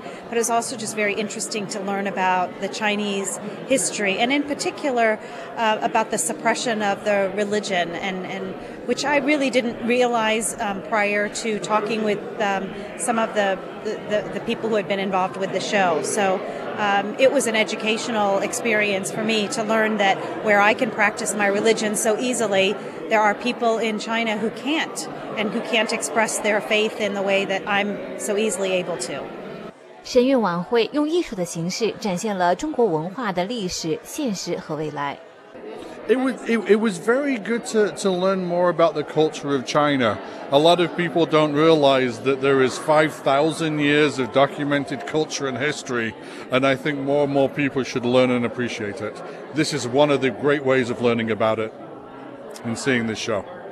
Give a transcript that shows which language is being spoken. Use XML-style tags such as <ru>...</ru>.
<en>But it was also just very interesting to learn about the Chinese history, and in particular, about the suppression of the religion, and which I really didn't realize prior to talking with some of the people who had been involved with the show. So it was an educational experience for me to learn that where I can practice my religion so easily, there are people in China who can't, and who can't express their faith in the way that I'm so easily able to.</en> <zh>神韵晚会用艺术的形式展现了中国文化的历史、现实和未来。</zh> <en>It was very good to learn more about the culture of China. A lot of people don't realize that there is 5,000 years of documented culture and history, and I think more and more people should learn and appreciate it. This is one of the great ways of learning about it and seeing this show.</en>